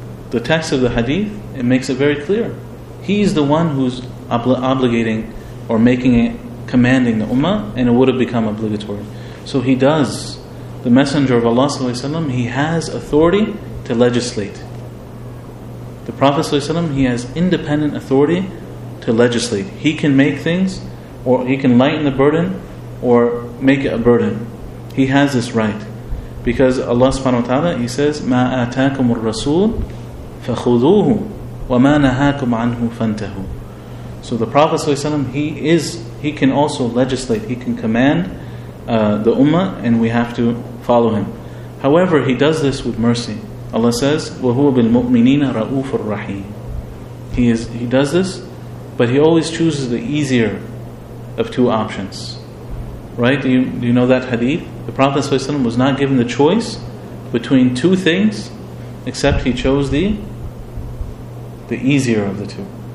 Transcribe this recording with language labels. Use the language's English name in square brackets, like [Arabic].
[English] The text of the hadith, it makes it very clear. He's the one who's obligating or making it, commanding the ummah, and it would have become obligatory. So he does. The Messenger of Allah Sallallahu Alaihi Wasallam, he has authority to legislate. The Prophet Sallallahu Alaihi Wasallam, he has independent authority to legislate. He can make things, or he can lighten the burden, or make it a burden. He has this right. Because Allah Subhanahu Wa Ta'ala, he says, [Arabic] مَا آتَاكُمُ الرَّسُولُ فَخُذُوهُ وَمَا نَهَاكُمْ عَنْهُ فَانْتَهُ. [English] So the Prophet Sallallahu Alaihi Wasallam, he can also legislate. He can command the ummah, and we have to follow him. However, he does this with mercy. Allah says, [Arabic] وَهُوَ بِالْمُؤْمِنِينَ رَؤُوفُ الرَّحِيمُ. [English] He does this, but he always chooses the easier of two options. Right? Do you know that hadith? The Prophet ﷺ was not given the choice between two things, except he chose the easier of the two.